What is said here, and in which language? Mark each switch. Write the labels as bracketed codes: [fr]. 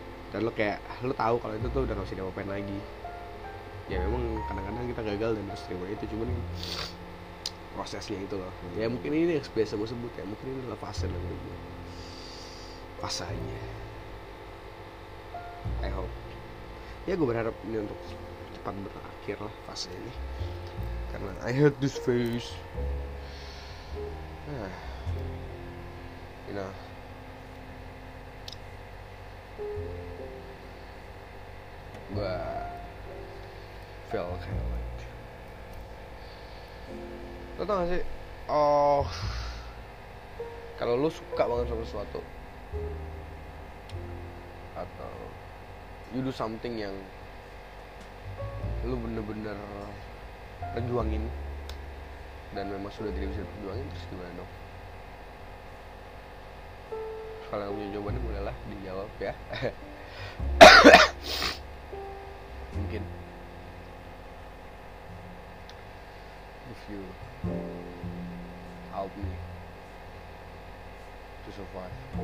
[id] Dan lu kayak, lu tahu kalau itu tuh udah gak bisa diapain lagi. Ya memang kadang-kadang kita gagal dan terus terima itu, cuman prosesnya itu loh. Ya mungkin ini yang biasa gue sebut ya, mungkin ini adalah fase lah menurut gue. Fase aja. [en] I hope. [id] Ya gue berharap ini untuk cepat berakhir lah fase ini. [en] Karena I hate this phase. You know. [id] Gue [en] feel kind of like, [id] lo tau gak sih, oh, kalau lo suka banget sama sesuatu atau [en] you do something [id] yang lo bener-bener perjuangin dan memang sudah tidak bisa perjuangin, terus gimana dong? Kalau gak punya jawabannya bolehlah dijawab ya. [en] Mungkin you help me to survive.